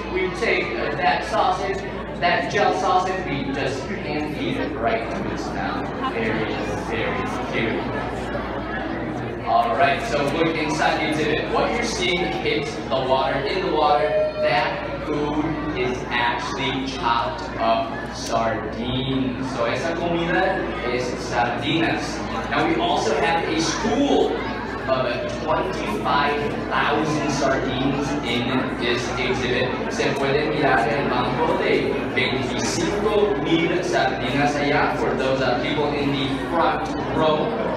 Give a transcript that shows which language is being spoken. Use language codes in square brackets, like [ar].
[en] We take that sausage. That gel sausage, we just hand feed it right to its mouth. Very, very cute. All right, so look inside the exhibit. What you're seeing hit the water, in the water, that food is actually chopped up sardines. [es] So esa comida es sardinas. [en] Now we also have a school of 25,000 sardines in this exhibit. [es] Se puede mirar el banco de 25,000 sardinas allá [en] for those people in the front row.